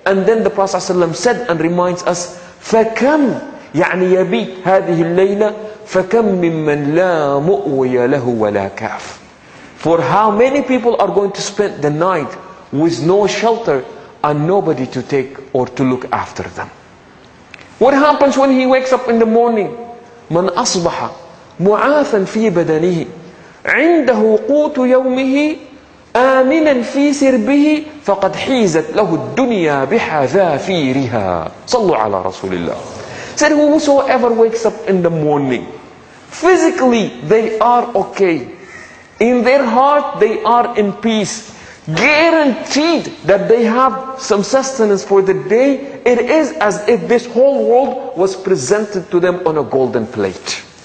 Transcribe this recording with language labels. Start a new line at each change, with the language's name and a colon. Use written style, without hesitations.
English: And then the Prophet ﷺ said and reminds us,
Arabic: فَكَمْ يَعْنِي يَبِيتْ هَذِهِ اللَّيْلَةِ فَكَمْ مِمَّنْ لَا مُؤْوِيَ لَهُ وَلَا كَافْ.
English: For how many people are going to spend the night with no shelter and nobody to take or to look after them? What happens when he wakes up in the morning?
Arabic: من أصبح معافا في بدنه عنده قوت يومه آمنا في سربه فقد حيزت له الدنيا بحذافيرها. صلوا على رسول الله.
English: Said whosoever wakes up in the morning, physically they are okay. In their heart, they are in peace. Guaranteed that they have some sustenance for the day. It is as if this whole world was presented to them on a golden plate.